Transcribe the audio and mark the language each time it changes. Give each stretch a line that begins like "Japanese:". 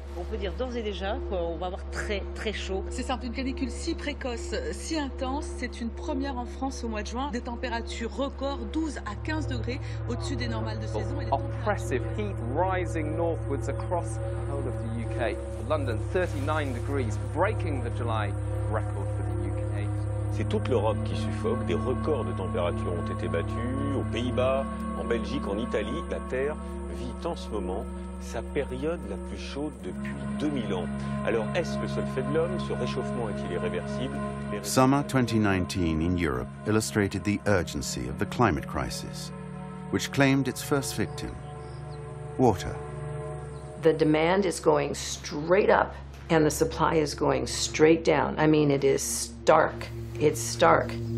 French: peux dire d'ores et déjà qu'on va avoir très très chaud. C'est simple, une canicule si précoce, si intense, c'est une première en France au mois de juin. Des températures records, 12 à 15 degrés au-dessus des normales de saison.
English: Oppressive heat rising northwards across the whole of the UK. London, 39 degrees, breaking the July record.
French: C'est toute l'Europe qui suffoque, des records de température ont été battus aux Pays-Bas, en Belgique, en Italie. La Terre vit en ce moment sa période la plus chaude depuis 2000 ans. Alors est-ce le seul fait de l'homme? Ce réchauffement est-il irréversible?
English: Summer 2019 in Europe illustrated the urgency of the climate crisis, which claimed its first victim, water. The demand is going straight up and the supply is going straight down. I mean, it is stark. It's stark.